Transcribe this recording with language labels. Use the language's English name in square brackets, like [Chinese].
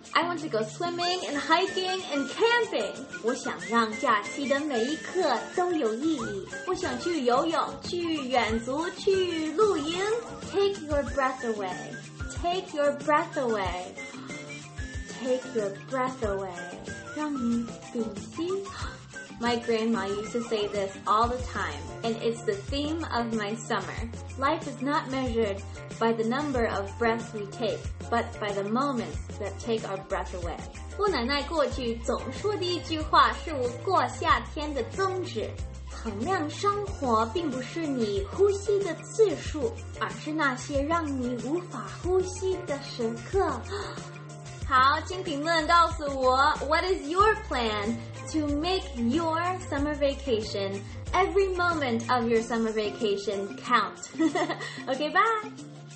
[English] I want to go swimming and hiking and camping. [Chinese] 我想让假期的每一刻都有意义。我想去游泳，去远足，去露营。 [English] Take your breath away. Take your breath away. Take your breath away. [Chinese] 让你屏息。 [English] My grandma used to say this all the time, and it's the theme of my summer. Life is not measured by the number of breaths we take, but by the moments that take our breath away. [Chinese] 我奶奶过去总说的一句话是我过夏天的宗旨。衡量生活并不是你呼吸的次数，而是那些让你无法呼吸的时刻。好，请评论告诉我 [English] What is your plan to make your summer vacation, every moment of your summer vacation count? Okay, bye!